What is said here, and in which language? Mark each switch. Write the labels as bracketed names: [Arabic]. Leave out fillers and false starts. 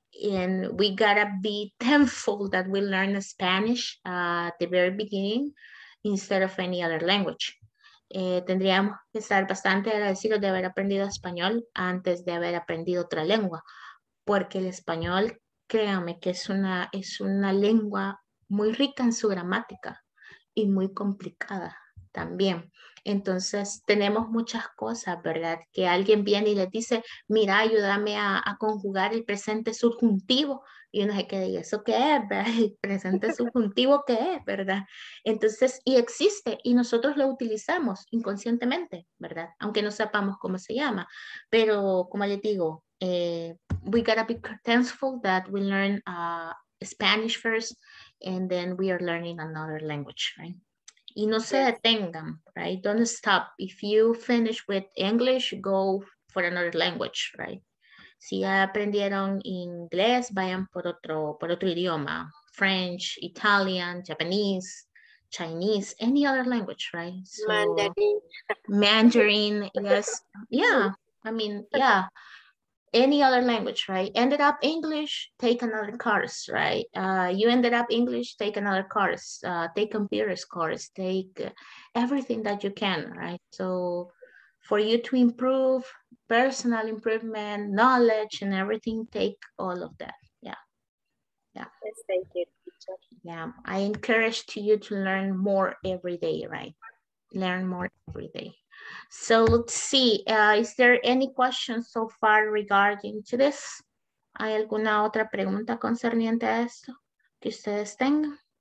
[English] And we gotta be thankful that we learn Spanish at the very beginning instead of any other language. [Spanish] Tendríamos que estar bastante agradecidos de haber aprendido español antes de haber aprendido otra lengua, porque el español, créanme, que es una lengua muy rica en su gramática y muy complicada también. Entonces, tenemos muchas cosas, ¿verdad? Que alguien viene y le dice, mira, ayúdame a conjugar el presente subjuntivo. Y uno se queda, ¿y eso qué es? ¿Verdad? ¿El presente subjuntivo qué es? ¿Verdad? Entonces, y existe, y nosotros lo utilizamos inconscientemente, ¿verdad? Aunque no sepamos cómo se llama. Pero, como les digo, [English] we gotta be thankful that we learn Spanish first, and then we are learning another language, right? [Spanish] Y no se detengan, [English] right? Don't stop. If you finish with English, go for another language, right? [Spanish] Si ya aprendieron inglés, vayan por otro idioma. [English] French, Italian, Japanese, Chinese, any other language, right? So, Mandarin. Mandarin, yes. Yeah, I mean, yeah. Any other language, right? Ended up English, take another course, right? You ended up English, take another course. Take computer course, take everything that you can, right? So for you to improve, personal improvement, knowledge and everything, take all of that, yeah. Yeah. Yes, thank you, teacher. Yeah, I encourage you to learn more every day, right? Learn more every day. So let's see, is there any question so far regarding to this? [Spanish] ¿Hay alguna otra pregunta concerniente a esto que ustedes tengan?